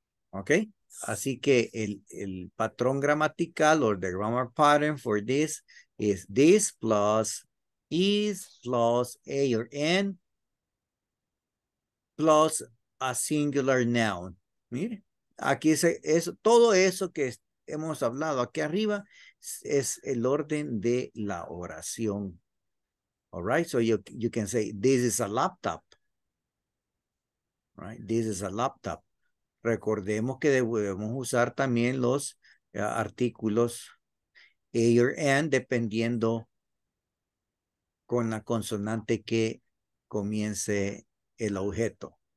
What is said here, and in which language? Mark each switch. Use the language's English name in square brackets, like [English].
[English] Ok, así que el patrón gramatical or the grammar pattern for this is this plus is plus a or n plus a singular noun. [Spanish] Mire, aquí dice eso, todo eso que hemos hablado aquí arriba es el orden de la oración. [English] All right, so you can say this is a laptop. Right, this is a laptop. [Spanish] Recordemos que debemos usar también los artículos A or N dependiendo con la consonante que comience el objeto.